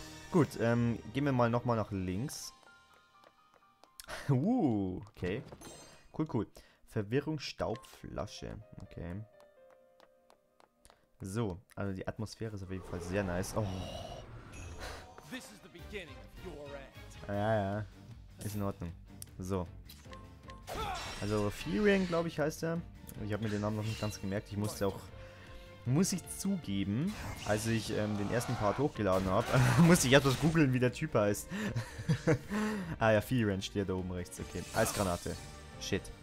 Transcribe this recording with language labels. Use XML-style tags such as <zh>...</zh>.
<de>Gut, gehen wir mal nochmal nach links. okay. Cool, cool. Verwirrung, Staubflasche. Okay. So, also die Atmosphäre ist auf jeden Fall sehr nice. Oh.</de> <en>This is the beginning of your act.</en> <de>Ja, ja. Ist in Ordnung. So. Also Fearing, glaube ich, heißt er. Ich habe mir den Namen noch nicht ganz gemerkt. Ich musste auch, muss ich zugeben, als ich den ersten Part hochgeladen habe, musste ich etwas googeln, wie der Typ heißt. ja, Fearing steht da oben rechts. Okay, Eisgranate. Shit.</de>